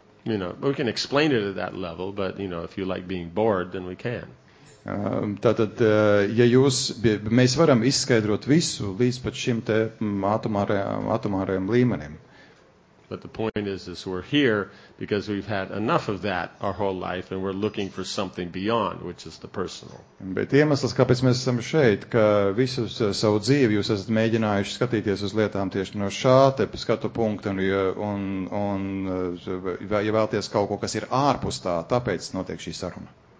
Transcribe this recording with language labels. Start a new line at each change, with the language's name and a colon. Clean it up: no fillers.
English: You know, we can explain it at that level, but, you know, if you like being bored, then we can.
Latvian: Tātad, ja jūs, mēs varam izskaidrot visu līdz pat šim te atomārajam līmenim.
English: But the point is we're here because we've had enough of that our whole life and we're looking for something beyond, which is the personal.
Latvian: Bet iemesls, kāpēc mēs esam šeit, ka visu savu dzīvi jūs esat mēģinājuši skatīties uz lietām tieši no šā te skatu punkta un ja vēlties kaut ko, kas ir ārpus tā, tāpēc notiek šī saruna.